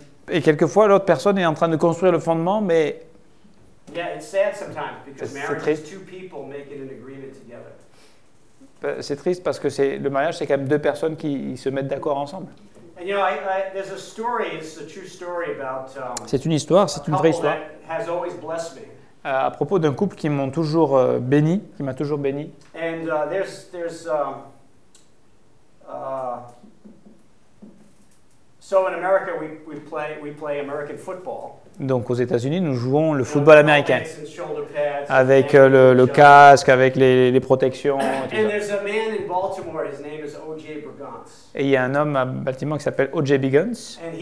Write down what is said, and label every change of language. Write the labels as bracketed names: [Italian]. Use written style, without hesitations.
[French] Et quelquefois l'autre personne est en train de construire le fondement, mais... [English] Yeah, it's sad sometimes because marriage is two people making an agreement together. [French] C'est triste parce que le mariage, c'est quand même deux personnes qui se mettent d'accord ensemble. [English] And you know, there's a story. It's a true story about. [French] C'est une histoire. C'est une vraie histoire. [English] That has always blessed me. [French] À propos d'un couple qui m'ont toujours béni, qui m'a toujours béni. [English] And so in America we play American football. [French] Donc aux États-Unis, nous jouons le football américain avec le casque, avec les protections. Et il y a un homme à Baltimore qui s'appelle O.J. Biggins.